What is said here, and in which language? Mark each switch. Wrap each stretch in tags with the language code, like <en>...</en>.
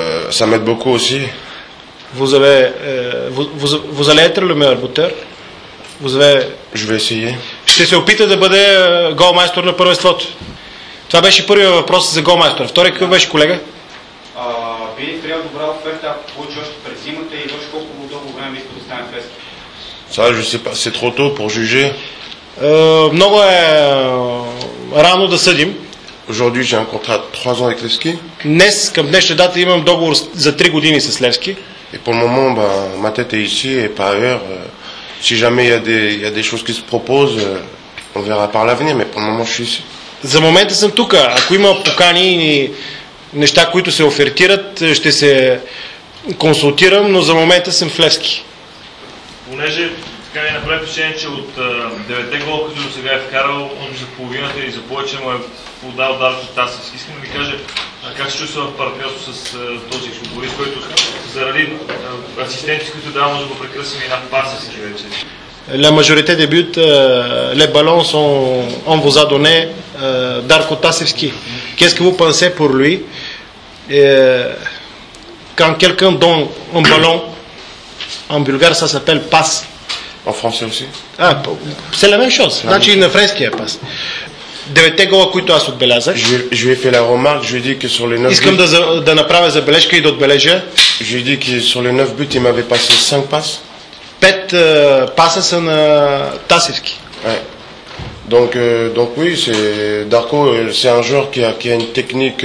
<fr>Ça m'aide beaucoup aussi. Vous allez être le meilleur buteur. Vous avez... Je vais essayer.</fr> <bg>Ще се опита да бъде голмайстор на първенството. Това беше първият въпрос за голмайстор. Втори, какъв беше, колега? Би приел добра оферта, ако получи още през зимата и още колко дълго време би искал да стане ФСК.</bg> <fr>Ça, je sais pas, c'est trop tôt pour juger.</fr> <bg>Много е рано да съдим.</bg> <fr>Aujourd'hui, j'ai un contrat de 3 ans avec Левски.</fr> <bg>Днес, към днешна дата, имам договор за 3 години с Левски.</bg> <fr>Et pour le moment, bah, ma tête est ici et pas ailleurs. Si jamais il y a des choses qui se proposent, on verra par l'avenir, mais pour le moment, je suis ici.</fr> <bg>За момента съм тук. Ако има покани и неща, които се офертират, ще се консултирам, но за момента съм в Левски. Понеже така ми направи впечатление, че от 9-те гола, които до сега е вкарал, он за половината или за повече му е подал дар от Тасевски. Искам да ви кажа, как се чувства в партньорство с този футболист, който заради асистенции, които дава, може да го прекръсим и на паса си вече.</bg> <fr>La majorité des buts, les ballons sont, on vous a donné Darko Tasevski. Qu'est-ce que vous pensez pour lui? Quand quelqu'un donne un ballon, en bulgare ça s'appelle passe. En français aussi? C'est la même chose.</fr> <bg>Значи на френски е пас. Девете гола, които аз отбелязах.</bg> <fr>Je lui ai fait la remarque, je lui ai dit que sur les 9 buts...</fr> <bg>Искам да направя забележка и да отбележа.</bg> <fr>Je lui ai dit que sur les 9 buts, il m'avait passé 5 passes.</fr> <bg>Пет паса са на Тасевски.</bg> <fr>Ouais. Donc oui, c'est Darko, c'est un joueur qui a une technique...</fr>